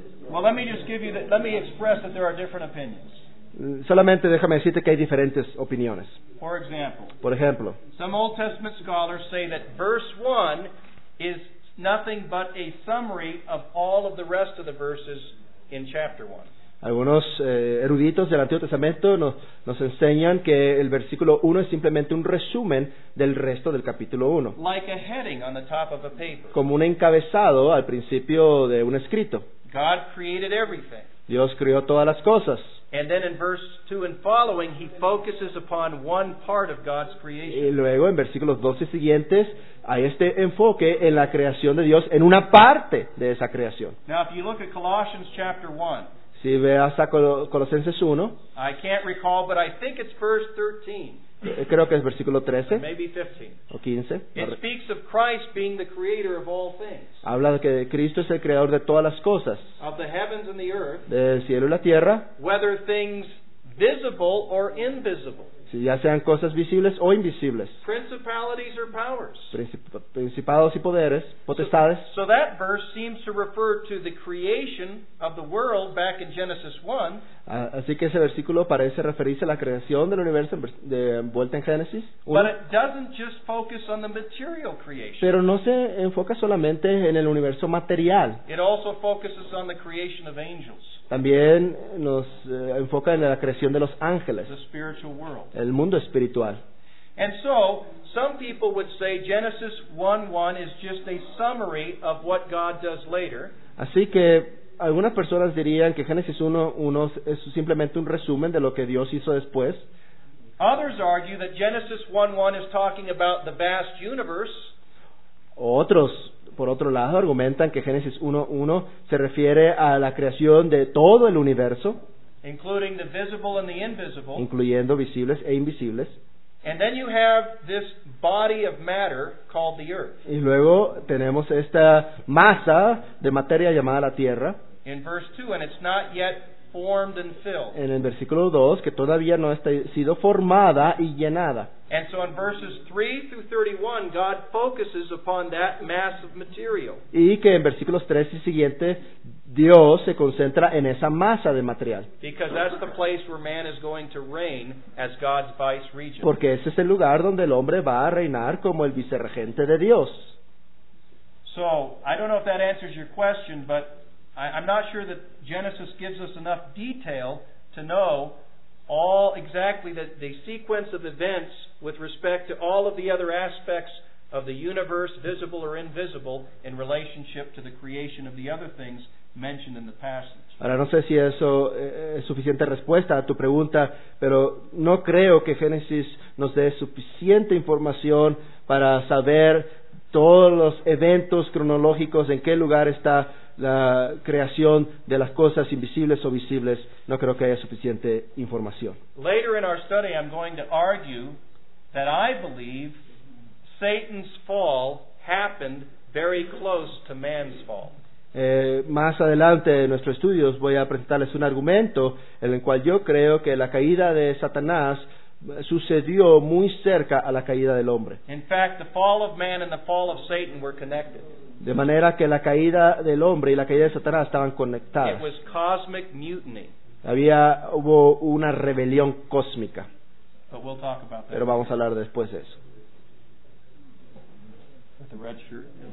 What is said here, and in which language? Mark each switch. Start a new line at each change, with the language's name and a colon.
English: Well, let me just give you let me express that there are different opinions.
Spanish: Solamente déjame decirte que hay diferentes opiniones.
English: For example.
Spanish: Por ejemplo.
English: Some Old Testament scholars say that verse 1 is nothing but a summary of all of the rest of the verses in chapter 1.
Spanish: Algunos eruditos del Antiguo Testamento nos enseñan que el versículo 1 es simplemente un resumen del resto del capítulo 1.
English: Like a heading on the top of a paper.
Spanish: Como un encabezado al principio de un escrito.
English: God created everything.
Spanish: Dios creó todas las cosas.
English: And then in verse 2 and following, he focuses upon one part of God's creation.
Spanish: Y luego en versículos 12 siguientes hay este enfoque en la creación de Dios, en una parte de esa creación.
English: Now if you look at Colossians chapter 1,
Spanish: si veas a Colosenses 1,
English: I can't recall, but I think it's verse 13.
Spanish: Creo que es versículo 13
English: maybe 15.
Spanish: O 15.
English: It speaks of Christ being the creator of all things.
Spanish: Habla de que Cristo es el creador de todas las cosas.
English: Of the heavens and the earth.
Spanish: Del cielo y la tierra.
English: Whether things visible or invisible.
Spanish: Si ya sean cosas visibles o invisibles.
English: Principalities or powers.
Spanish: Principados y poderes, potestades.
English: So that verse seems to refer to the creation of the world back in Genesis 1.
Spanish: Así que ese versículo parece referirse a la creación del universo de vuelta en Génesis 1.
English: But it doesn't just focus on the material creation.
Spanish: Pero no se enfoca solamente en el universo material.
English: It also focuses on the creation of angels.
Spanish: También nos enfoca en la creación de los ángeles,
English: the spiritual world.
Spanish: El mundo espiritual.
English: And so, some people would say Genesis 1:1 is just a summary of what God does later.
Spanish: Así que algunas personas dirían que Génesis 1:1 es simplemente un resumen de lo que Dios hizo después.
English: Others argue that Genesis 1:1 is talking about the vast universe.
Spanish: Otros, por otro lado, argumentan que Génesis 1:1 se refiere a la creación de todo el universo,
English: including the visible and the invisible,
Spanish: incluyendo visibles e invisibles.
English: And then you have this body of matter called the earth.
Spanish: Y luego tenemos esta masa de materia llamada la tierra.
English: In verse 2, and it's not yet formed and filled.
Spanish: En el versículo 2, que todavía no ha sido formada y llenada.
English: And so in verses 3 through 31, God focuses upon that mass of material.
Spanish: Y que en versículos 3 y siguiente, Dios se concentra en esa masa de material.
English: Because that's the place where man is going to reign as God's vice regent.
Spanish: Porque ese es el lugar donde el hombre va a reinar como el vicerregente de Dios.
English: So, I don't know if that answers your question, but I'm not sure that Genesis gives us enough detail to know all exactly the sequence of events with respect to all of the other aspects of the universe, visible or invisible, in relationship to the creation of the other things mentioned in the passage.
Spanish: Ahora no sé si eso es suficiente respuesta a tu pregunta, pero no creo que Génesis nos dé suficiente información para saber todos los eventos cronológicos, en qué lugar está la creación de las cosas invisibles o visibles. No creo que haya suficiente información.
English: Later in our study, I'm going to argue that I believe Satan's fall happened very close to man's fall.
Spanish: Más adelante en nuestros estudios voy a presentarles un argumento en el cual yo creo que la caída de Satanás sucedió muy cerca a la caída del hombre.
English: In fact, the fall of man and the fall of Satan were connected.
Spanish: De manera que la caída del hombre y la caída de Satanás estaban conectadas.
English: It was cosmic mutiny.
Spanish: Hubo una rebelión cósmica.
English: But we'll talk about that.
Spanish: Pero vamos a hablar después de eso.
English: The red shirt.